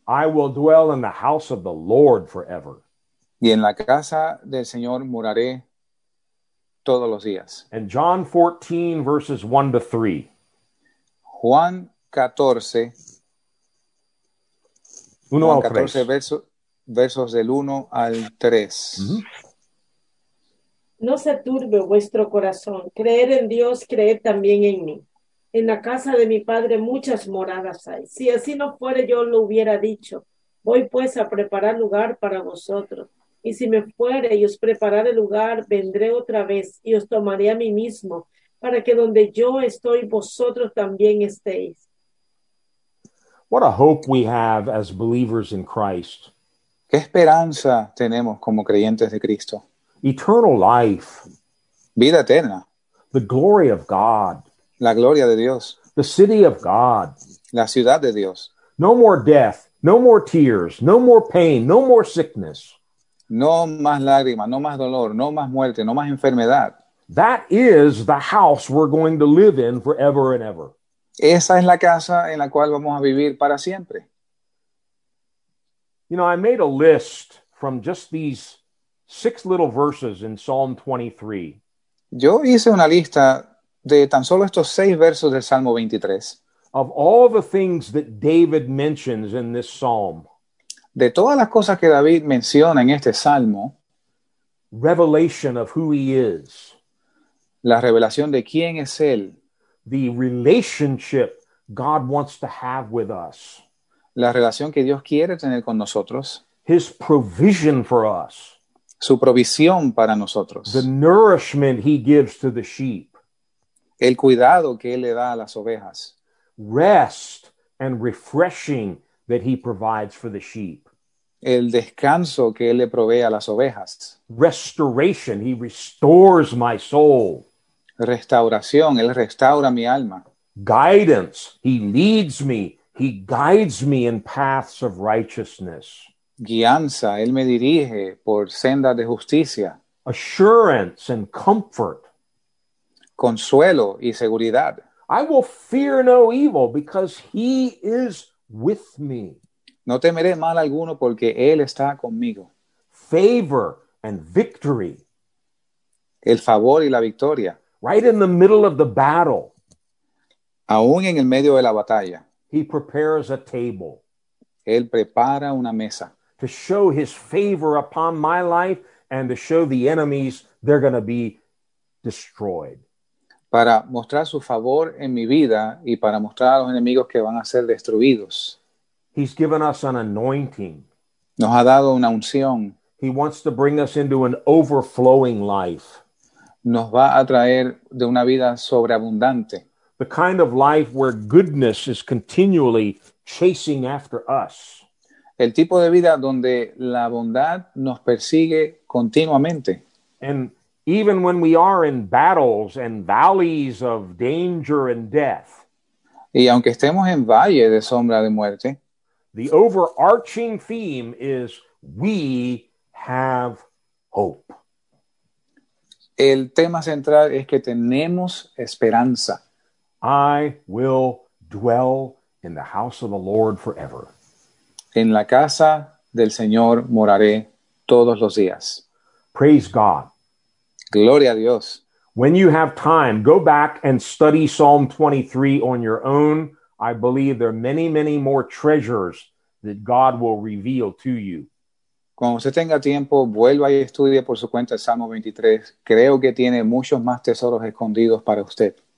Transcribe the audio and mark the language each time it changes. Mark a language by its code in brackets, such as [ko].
[en] I will dwell in the house of the Lord forever. [es] Y en la casa del Señor moraré todos los días. [en] And John 14, verses 1 to 3. [es] Juan 14. Uno Juan al 14, tres. Versos del 1 al 3. No se turbe vuestro corazón. Creer en Dios, creer también en mí. En la casa de mi Padre muchas moradas hay. Si así no fuere, yo lo hubiera dicho. Voy pues a preparar lugar para vosotros. Y si me fuere y os prepararé lugar, vendré otra vez y os tomaré a mí mismo, para que donde yo estoy, vosotros también estéis. [en] What a hope we have as believers in Christ. [es] ¿Qué esperanza tenemos como creyentes de Cristo? [en] Eternal life. [es] Vida eterna. [en] The glory of God. [es] La gloria de Dios. [en] The city of God. [es] La ciudad de Dios. [en] No more death, no more tears, no more pain, no more sickness. [es] No más lágrimas, no más dolor, no más muerte, no más enfermedad. [en] That is the house we're going to live in forever and ever. [es] Esa es la casa en la cual vamos a vivir para siempre. [en] You know, I made a list from just these six little verses in Psalm 23. [es] Yo hice una lista de tan solo estos seis versos del Salmo 23. [en] Of all the things that David mentions in this psalm. [es] De todas las cosas que David menciona en este salmo. [en] Revelation of who he is. [es] La revelación de quién es él. [en] The relationship God wants to have with us. [es] La relación que Dios quiere tener con nosotros. [en] His provision for us. [es] Su provisión para nosotros. [en] The nourishment he gives to the sheep. [es] El cuidado que él le da a las ovejas. [en] Rest and refreshing that he provides for the sheep. [es] El descanso que él le provee a las ovejas. [en] Restoration, he restores my soul. [es] Restauración, él restaura mi alma. [en] Guidance, he leads me. He guides me in paths of righteousness. [es] Guianza, él me dirige por sendas de justicia. [en] Assurance and comfort. [es] Consuelo y seguridad. [en] I will fear no evil because he is with me. [es] No temeré mal alguno porque él está conmigo. [en] Favor and victory. [es] El favor y la victoria. [en] Right in the middle of the battle. [es] Aún en el medio de la batalla. [en] He prepares a table. [es] Él prepara una mesa. [en] To show his favor upon my life and to show the enemies they're going to be destroyed. [es] Para mostrar su favor en mi vida y para mostrar a los enemigos que van a ser destruidos. [en] He's given us an anointing. [es] Nos ha dado una unción. [en] He wants to bring us into an overflowing life. [es] Nos va a traer de una vida sobreabundante. [en] The kind of life where goodness is continually chasing after us. [es] El tipo de vida donde la bondad nos persigue continuamente. [en] And even when we are in battles and valleys of danger and death. [es] Y aunque estemos en valle de sombra de muerte. [en] The overarching theme is we have hope. [es] El tema central es que tenemos esperanza. [en] I will dwell in the house of the Lord forever. [es] En la casa del Señor moraré todos los días. [en] Praise God. [es] Gloria a Dios. [en] When you have time, go back and study Psalm 23 on your own. I believe there are many, many more treasures that God will reveal to you. [es] Cuando usted tenga tiempo, vuelva y estudie por su cuenta el Salmo 23. Creo que tiene muchos más tesoros escondidos para usted.